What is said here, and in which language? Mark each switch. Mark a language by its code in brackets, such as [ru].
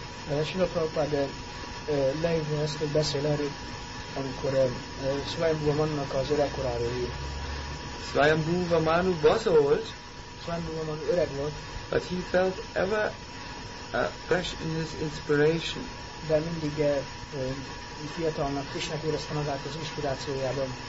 [hu] Srila Prabhupada leírja ezt, hogy beszél erről, amikor Svayambhuva Manu-nak az öregkoráról ír. [en] Svayambhuva Manu was old, [hu] Svayambhuva Manu öreg volt, [en] but he felt ever fresh in his inspiration. [hu] De mindig fiatalnak, Krishna-t érezte magát az inspirációjában.